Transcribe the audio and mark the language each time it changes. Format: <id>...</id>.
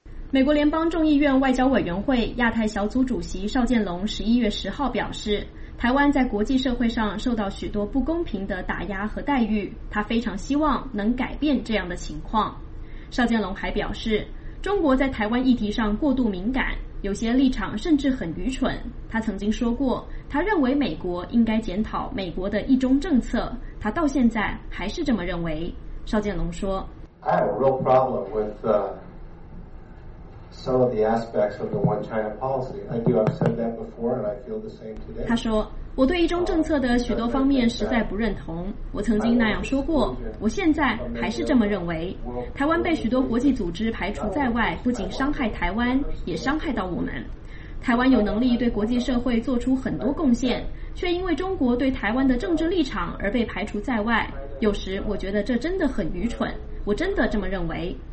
<zh>美国联邦众议院外交委员会亚太小组主席邵建龙11月10号表示，台湾在国际社会上受到许多不公平的打压和待遇，他非常希望能改变这样的情况。邵建龙还表示，中国在台湾议题上过度敏感，有些立场甚至很愚蠢。他曾经说过，他认为美国应该检讨美国的一中政策，他到现在还是这么认为。邵建龙说，</zh> <en>I have a real problem with some of the aspects of the one China policy. I do, I've said that before, and I feel the same today.</en> <zh>他说，我对一中政策的许多方面实在不认同，我曾经那样说过，我现在还是这么认为。台湾被许多国际组织排除在外，不仅伤害台湾，也伤害到我们。台湾有能力对国际社会做出很多贡献，却因为中国对台湾的政治立场而被排除在外，有时我觉得这真的很愚蠢，我真的这么认为。</zh>